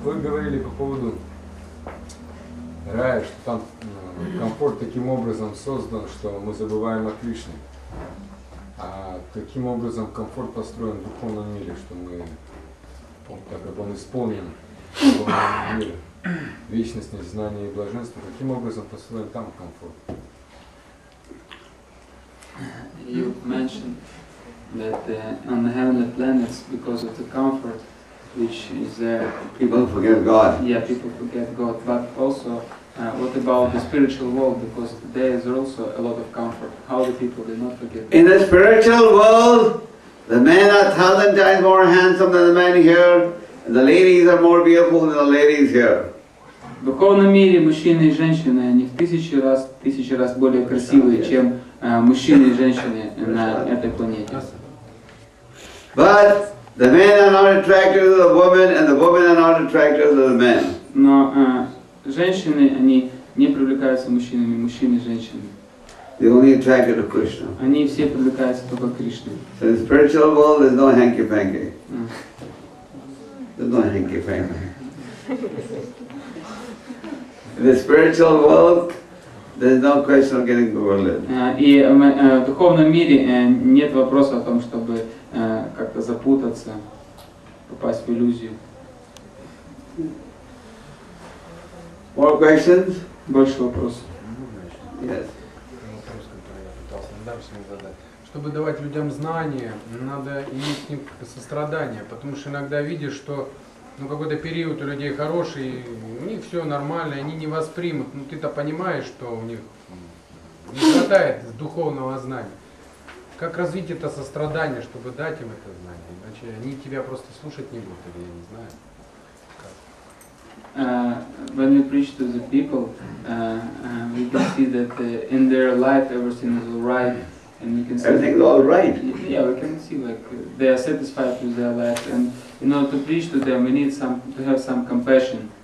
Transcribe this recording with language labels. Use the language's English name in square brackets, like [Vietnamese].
[Russian] Вы говорили по поводу рая, что там комфорт таким образом создан, что мы забываем о Кришне. А каким образом комфорт построен в духовном мире, что мы, так как он исполнен в духовном мире, вечность, знание и блаженство, каким образом построен там комфорт? [English] You mentioned that on the heavenly planets, because of the comfort which is there, people forget God. Yeah, people forget God. But also, what about the spiritual world? Because there is also a lot of comfort. How do people do not forget God? In the spiritual world, the men are 1,000 times more handsome than the men here, and the ladies are more beautiful than the ladies here. [Russian] В духовном мире мужчины и женщины, они в тысячи раз более красивые, чем мужчины и женщины на этой планете. [English] But the men are not attracted to the women, and the women are not attracted to the men. [Russian] Но женщины, они не привлекаются мужчинами, мужчины и женщины. [English] They only attracted to Krishna. [Russian] Они все привлекаются только к Кришне. [English] So in the spiritual world, there's no hanky-panky. There's no hanky-panky. In the spiritual world, there's no question of getting bored. [Russian] И в духовном мире нет вопроса о том, чтобы как-то запутаться, попасть в иллюзию. [English] More questions? [Russian] Больше вопросов. [English] Yes. [Russian] Вопрос, который я пытался недавно всем задать. Чтобы давать людям знания, надо иметь к ним сострадание, потому что иногда видишь, что какой-то период у людей хороший, у них все нормально, они не воспримут. Ну ты-то понимаешь, что у них не хватает духовного знания. Как развить это сострадание, чтобы дать им это знание? Иначе они тебя просто слушать не будут, или я не знаю. [English] When we preach to the people, we can see that in their life everything is alright, and you can see everything's all right. Yeah, we can see like they are satisfied with their life, and in order to preach to them, we need some to have some compassion.